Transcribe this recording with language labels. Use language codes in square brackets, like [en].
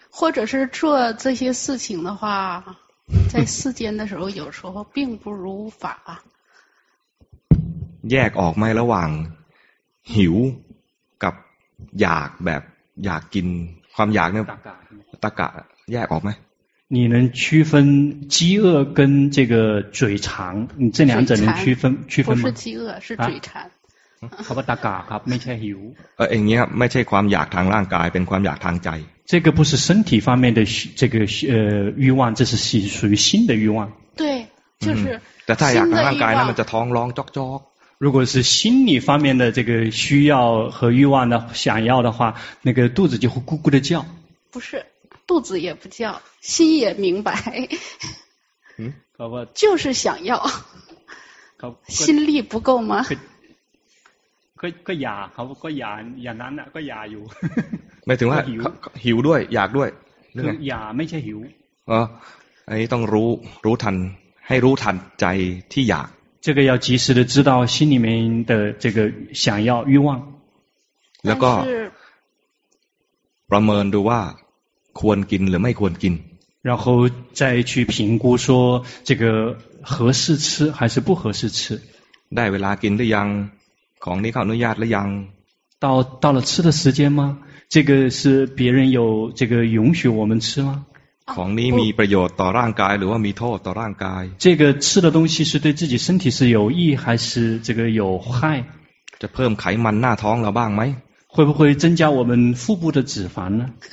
[zh] 或者是做这些事情的话在世间的时候有时候并不如法 [th] แยกออกไหมระหว่างหิวกับอยากแบบอยากกินความอยากเนี่ยตะกะแยกออกไหม [zh] 你能区分饥饿跟这个嘴馋，你这两者能区分吗？不是饥饿，是嘴馋。 [th] เขาบอกตะกะครับไม่ใช่หิว เองเนี้ยไม่ใช่ความอยากทางร่างกายเป็นความอยากทางใจ [zh] 这个不是身体方面的这个欲望，这是属于心的欲望。对，就是。 [th] แต่ถ้าอยากทางร่างกายนั้นมันจะท้องร้องจอกจอก [zh] 如果是心理方面的这个需要和欲望的想要的话，那个肚子就会咕咕的叫。不是。肚子也不叫心也明白就是想要心力不够吗 [th] ก็อยากเขาก็อยากอย่างนั้นอ่ะก็อยากอยู่ หมายถึงว่าหิวด้วยอยากด้วย คืออย่าไม่ใช่หิว อันนี้ต้องรู้รู้ทันให้รู้ทันใจที่อยาก [zh] 这个要及时的知道心里面的这个想要欲望 [th] แล้วก็ประเมินดูว่าควรกินหรือไม่ควรกิน [zh] 然后再去评估说这个合适吃还是不合适吃 [th] ได้เวลากินหรือยังของนี้เขาอนุญาตหรือยัง [zh] 到了吃的时间吗这个是别人有这个允许我们吃吗 [th] ของนี้มีประโยชน์ต่อร่างกายหรือว่ามีโทษต่อร่างกาย [zh] 这个吃的东西是对自己身体是有益还是这个有害 [th] จะเพิ่มไขมันหน้าท้องเราบ้างไหม [zh] 会不会增加我们腹部的脂肪呢